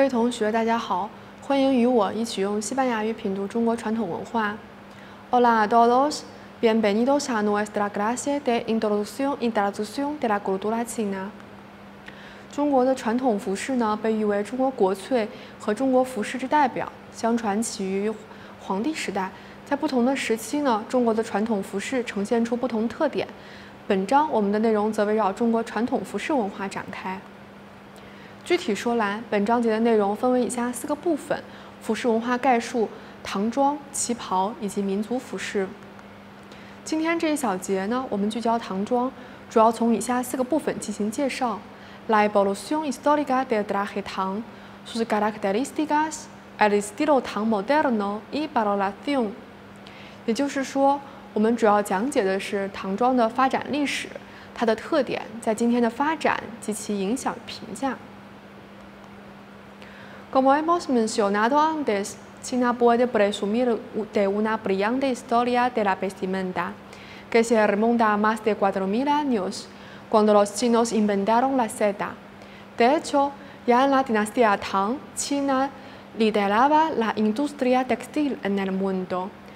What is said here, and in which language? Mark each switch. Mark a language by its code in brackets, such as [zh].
[zh] 学，大家好，欢迎与我一起用西班牙语品读中国传统文化。 [es] Hola a todos, bienvenidos a nuestra clase de introducción de la cultura china。 [zh] 中国的传统服饰呢，被誉为中国国粹和中国服饰之代表，相传起于皇帝时代。在不同的时期呢，中国的传统服饰呈现出不同特点。本章我们的内容则围绕中国传统服饰文化展开。具体说来，本章节的内容分为以下四个部分：服饰文化概述、唐装、旗袍以及民族服饰。今天这一小节呢，我们聚焦唐装，主要从以下四个部分进行介绍。 [es] La evolución histórica del traje tang, sus características, el estilo tang moderno y valoración. [zh] 也就是说，我们主要讲解的是唐装的发展历史，它的特点，在今天的发展及其影响评价。 [es] Como hemos mencionado antes, China puede presumir de una brillante historia de la vestimenta, que se remonta a más de 4.000 años. Cuando los chinos inventaron la seda. De hecho, ya en la dinastía Tang, China lideraba la industria textil en el mundo.